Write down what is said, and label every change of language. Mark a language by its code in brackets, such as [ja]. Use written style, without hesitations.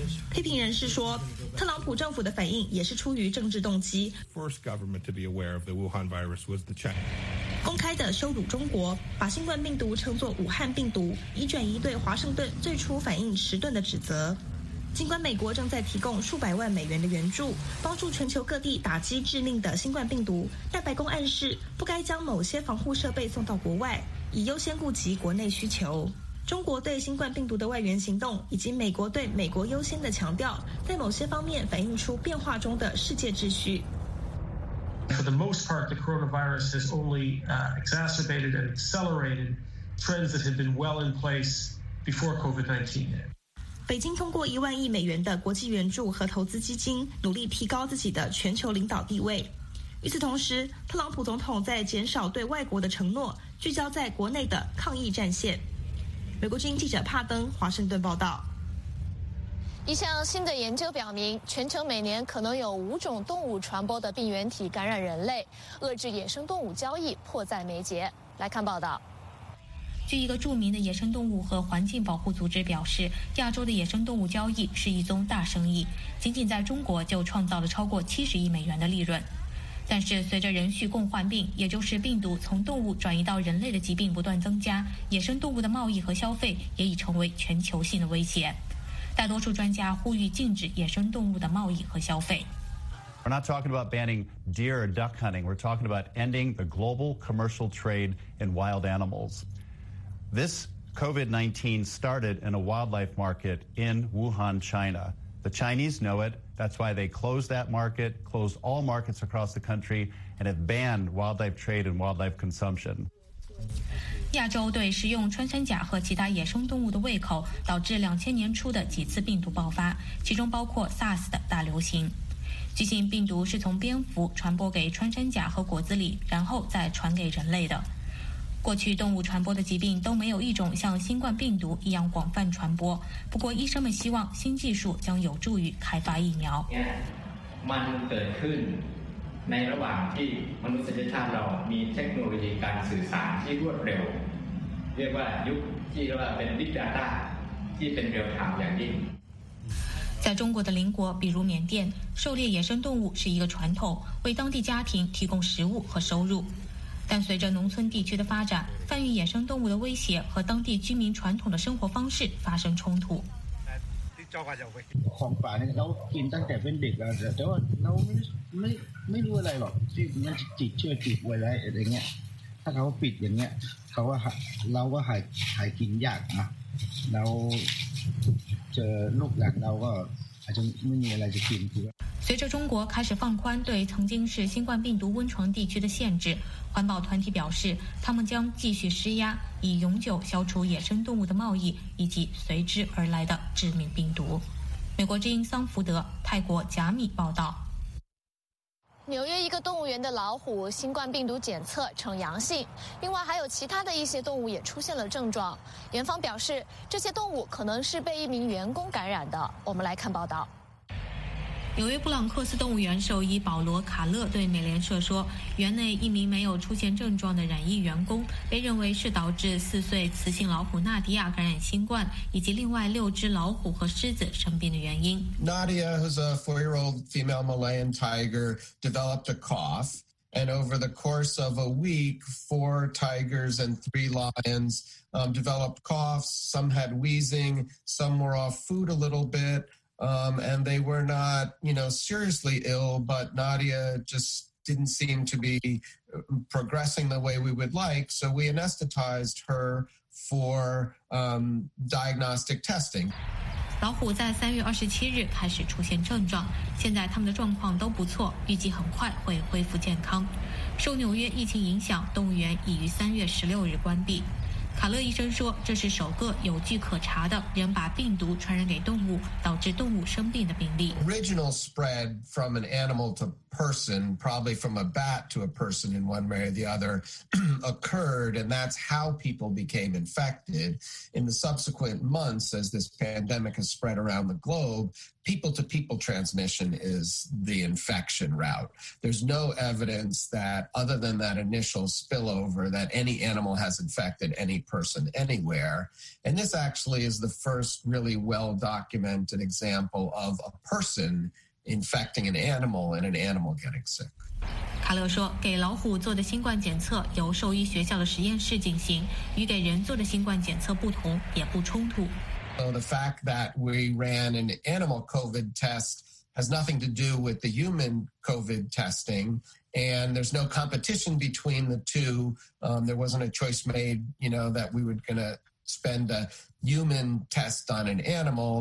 [zh] 批评人士说，特朗普政府的反应也是出于政治动机。 [en] First government to be aware of the Wuhan virus was the China. [zh] 公开的羞辱中国，把新冠病毒称作武汉病毒，以转移对华盛顿最初反应迟钝的指责。尽管美国正在提供数百万美元的援助，帮助全球各地打击致命的新冠病毒，但白宫暗示不该将某些防护设备送到国外，以优先顾及国内需求。中国对新冠病毒的外援行动以及美国对美国优先的强调，在某些方面反映出变化中的世界秩序。 [en] For the most part, the coronavirus has only exacerbated and accelerated trends that had been well in place before COVID-19. [zh] 北京通过$10,000,000,000的国际援助和投资基金，努力提高自己的全球领导地位。与此同时，特朗普总统在减少对外国的承诺，聚焦在国内的抗疫战线。美国之音记者帕登华盛顿报道。一项新的研究表明，全球每年可能有5种动物传播的病原体感染人类，遏制野生动物交易迫在眉睫。来看报道。据一个著名的野生动物和环境保护组织表示，亚洲的野生动物交易是一宗大生意，仅仅在中国就创造了超过70亿美元的利润。但是随着人畜共患病，也就是病毒从动物转移到人类的疾病不断增加，野生动物的贸易和消费也已成为全球性的威胁。大多数专家呼吁禁止野生动物的贸易和消费。 [en] We're not talking about banning deer or duck hunting. We're talking about ending the global commercial trade in wild animals. This COVID-19 started in a wildlife market in Wuhan, China. The Chinese know it. That's why they closed that market, closed all markets across the country, and have banned wildlife trade and wildlife consumption. [zh] 亚洲对食用穿山甲和其他野生动物的胃口，导致2000年初的几次病毒爆发，其中包括 SARS 的大流行。据信病毒是从蝙蝠传播给穿山甲和果子狸，然后再传给人类的。过去动物传播的疾病都没有一种像新冠病毒一样广泛传播，不过医生们希望新技术将有助于开发疫苗。 [th] ในระหว่างที่มนุษยชาติเรามีเทคโนโลยีการสื่อสารที่รวดเร็วเรียกว่ายุคที่เรียกว่าเป็น Big Data ที่เป็นเรียลไทม์อย่างยิ่ง [zh] 在中国的邻国比如缅甸，狩猎野生动物是一个传统，为当地家庭提供食物和收入。但随着农村地区的发展，贩运野生动物的威胁和当地居民传统的生活方式发生冲突。 [th] ของป่าเนี่ยเรากินตั้งแต่เป็นเด็กแล้วแต่ว่าเราไม่รู้อะไรหรอกที่มันจิตเชื่อจิตไว้ไรอะไรเงี้ยถ้าเขาปิดอย่างเงี้ยเขาว่าเราก็หายกินยากนะเราเจอลูกหลานเราก็อาจจะไม่มีอะไรจะกินคือ [zh] 随着中国开始放宽对曾经是新冠病毒温床地区的限制，环保团体表示，他们将继续施压，以永久消除野生动物的贸易以及随之而来的致命病毒。美国之音桑福德，泰国贾米报道。纽约一个动物园的老虎新冠病毒检测呈阳性，另外还有其他的一些动物也出现了症状。园方表示，这些动物可能是被一名员工感染的。我们来看报道。纽约布朗克斯动物园兽医保罗·卡勒对美联社说，园内一名没有出现症状的染疫员工被认为是导致4岁雌性老虎纳迪亚感染新冠以及另外6只老虎和狮子生病的原因。 [en] Nadia, who's a 4-year-old female Malayan tiger, developed a cough, and over the course of a week, 4 tigers and 3 lions developed coughs. Some had wheezing, some were off food a little bitand they were not, you know, seriously ill, but Nadia just didn't seem to be progressing the way we would like, so we anesthetized her for diagnostic testing. [zh] 老虎在3月27日开始出现症状，现在他们的状况都不错，预计很快会恢复健康。受纽约疫情影响，动物园已于3月16日关闭。卡勒医生说，这是首个有据可查的人把病毒传染给动物导致动物生病的病例。 [en] Original spread from an animal to person, probably from a bat to a person in one way or the other, occurred, and that's how people became infected. In the subsequent months, as this pandemic has spread around the globe, people-to-people transmission is the infection route. There's no evidence that, other than that initial spillover, that any animal has infected any person anywhere. And this actually is the first really well-documented example of a person infecting an animal and an animal getting sick. [zh] 卡勒说，给老虎做的新冠检测由兽医学校的实验室进行，与给人做的新冠检测不同，也不冲突。 [en] So the fact that we ran an animal COVID test has nothing to do with the human COVID testing, and there's no competition between the two. There wasn't a choice made, you know, that we were going to spend a human test on an animal.